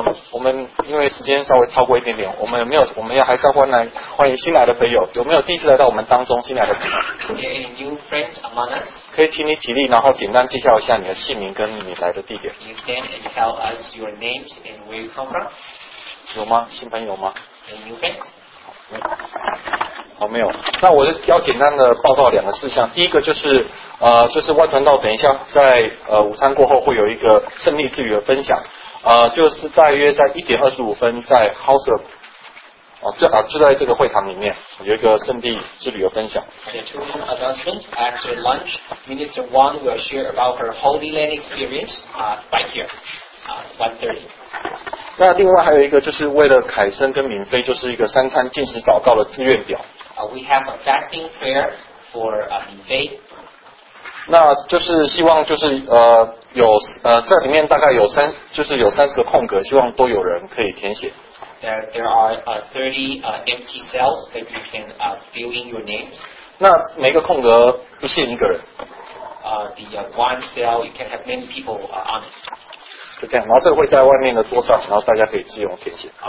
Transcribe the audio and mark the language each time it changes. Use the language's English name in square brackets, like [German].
[Chinese] 我们因为时间稍微超过一点点，我们有没有，我们要还是要欢迎新来的朋友，有没有第一次来到我们当中新来的朋友？ [English] Okay, any new friends among us? [Chinese] 可以请你起立，然后简单介绍一下你的姓名跟你来的地点。 [English] You stand and tell us your names and where you come from. [Chinese] 有吗？新朋友吗？ [English] Any new friends? [Chinese] 好，没有。那我要简单的报告两个事项。第一个就是，就是外传道等一下在午餐过后会有一个胜利之旅的分享，就是大约在1:25在 House of，就在这个会堂里面有一个胜利之旅的分享。 [English] Okay, two announcements. After lunch, Minister Wang will share about her Holy Land experience. Right here. 1:30. [Chinese] 那另外还有一个就是为了凯森跟敏菲，就是一个三餐进食祷告的志愿表。 [English] We have a fasting prayer for 敏菲。 [Chinese] 那就是希望就是这里面大概有30个空格，希望都有人可以填写。 [English] There are 30 empty cells that you can fill in your names. [Chinese] 那每个空格不限一个人。 [English] The one cell you can have many people on it. [Chinese] 就这样，然后这个会在外面的桌上，然后大家可以自由填写。